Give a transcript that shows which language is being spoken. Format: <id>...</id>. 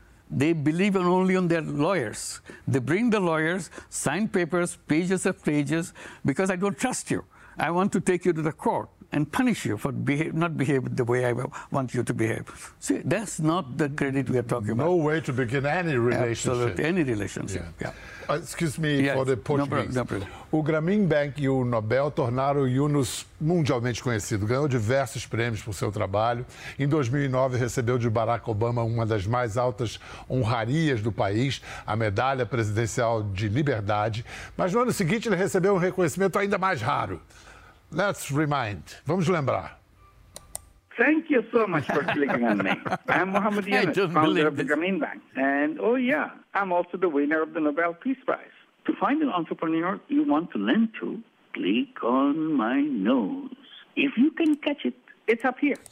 <en>They believe only on their lawyers. They bring the lawyers, sign papers, pages of pages, because I don't trust you. I want to take you to the court. and punish you for not behaving the way I want you to behave. See, that's not the credit we are talking no No way to begin any relationship. Absolutely, any relationship. Yeah. Excuse me for the Portuguese.</en> <pt>O Grameen Bank e o Nobel tornaram o Yunus mundialmente conhecido. Ganhou diversos prêmios por seu trabalho. Em 2009, recebeu de Barack Obama uma das mais altas honrarias do país, a Medalha Presidencial de Liberdade. Mas no ano seguinte, ele recebeu um reconhecimento ainda mais raro.</pt> <en>Let's remind.</en> <pt>Vamos lembrar.</pt> <en>Thank you so much for clicking on me. I'm Mohammed Yunus, founder of the Grameen Bank. And, oh, yeah, I'm also the winner of the Nobel Peace Prize. To find an entrepreneur you want to lend to, click on my nose. If you can catch it, it's up here.</en>